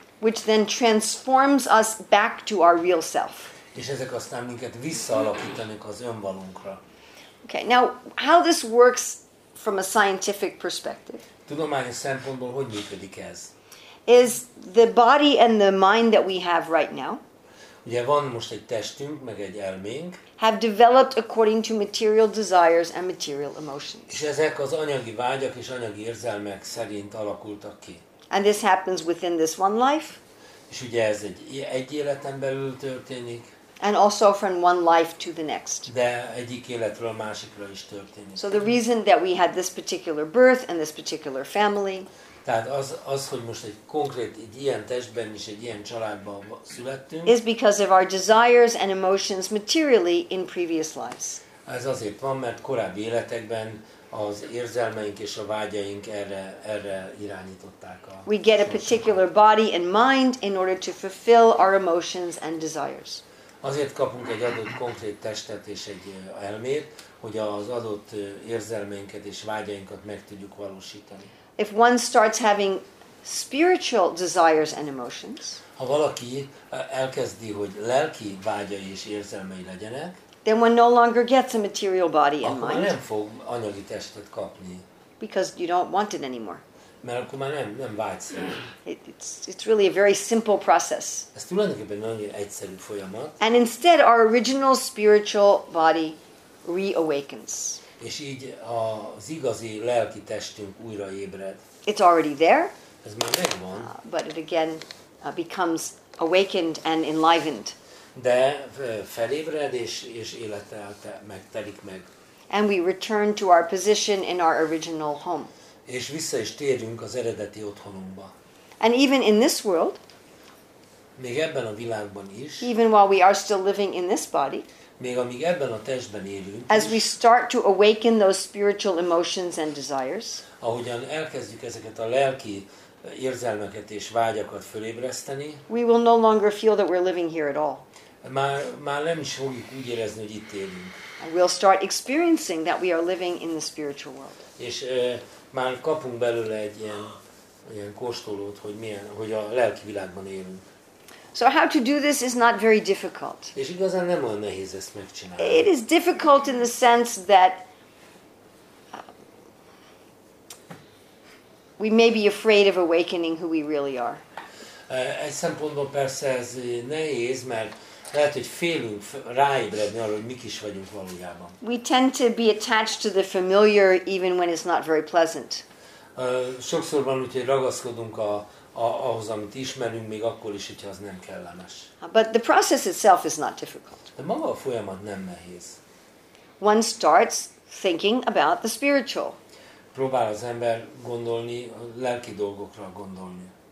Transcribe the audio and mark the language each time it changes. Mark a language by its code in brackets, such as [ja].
[en] Which then transforms us back to our real self. [hu] És ezek aztán minket visszaalakítanak az önvalunkra. [en] Okay, now how this works from a scientific perspective? [hu] Tudományos szempontból hogy működik ez? [en] Is the body and the mind that we have right now? [hu] Ugye van most egy testünk, meg egy elménk. [en] Have developed according to material desires and material emotions. [hu] És ezek az anyagi vágyak és anyagi érzelmek szerint alakultak ki. [en] And this happens within this one life. [hu] És ugye ez egy életen belül történik. [en] And also from one life to the next. [hu] De egyik életről a másikra is történik. [en] So the reason that we had this particular birth and this particular family. [hu] Tehát az, hogy most egy konkrét, egy ilyen testben és egy ilyen családban születtünk. [en] Is because of our desires and emotions materially in previous lives. [hu] Ez azért van, mert korábbi életekben az érzelmeink és a vágyaink erre irányították a. [en] We get a particular body and mind in order to fulfill our emotions and desires. [hu] Azért kapunk egy adott konkrét testet és egy elmét, hogy az adott érzelmeinket és vágyainkat meg tudjuk valósítani. [en] If one starts having spiritual desires and emotions, [hu] ha valaki elkezdi, hogy lelki vágyai és érzelmei legyenek, [en] then one no longer gets a material body and mind. [hu] Akkor nem fog anyagi testet kapni. [en] Because you don't want it anymore. [hu] Mert akkor már nem vágysz. [en] It's really a very simple process. [hu] Ez tulajdonképpen nagyon egyszerű folyamat. [en] And instead our original spiritual body reawakens. [hu] És így az igazi lelki testünk újra ébred. [en] It's already there. [hu] Ez már megvan. [en] But it again becomes awakened and enlivened. [hu] De felébred és élete megtelik meg. [en] And we return to our position in our original home. [hu] És vissza is térünk az eredeti otthonunkba. [en] And even in this world, [hu] még ebben a világban is, [en] even while we are still living in this body, [hu] még amíg ebben a testben élünk, [en] as we start to awaken those spiritual emotions and desires, [hu] ahogyan elkezdjük ezeket a lelki érzelmeket és vágyakat fölébreszteni, [en] we will no longer feel that we're living here at all. [hu] Már nem is fogjuk úgy érezni, hogy itt élünk. [en] And we'll start experiencing that we are living in the spiritual world. [hu] És már kapunk belőle egy ilyen kóstolót, hogy a lelki világban élünk. [en] So how to do this is not very difficult. [hu] És igazán nem olyan nehéz ezt megcsinálni. [en] It is difficult in the sense that we may be afraid of awakening who we really are. [hu] Egy szempontból persze ez nehéz, mert lehet, hogy félünk ráébredni arra, hogy mik is vagyunk valójában. [en] We tend to be attached to the familiar even when it's not very pleasant. [hu] Sokszor van úgy, hogy ragaszkodunk ahhoz, amit ismerünk, még akkor is, hogyha az nem kellemes. [en] But the process itself is not difficult. [hu] De maga a folyamat nem nehéz. [en] One starts thinking about the spiritual. [hu] Próbál az ember gondolni, lelki dolgokra gondolni.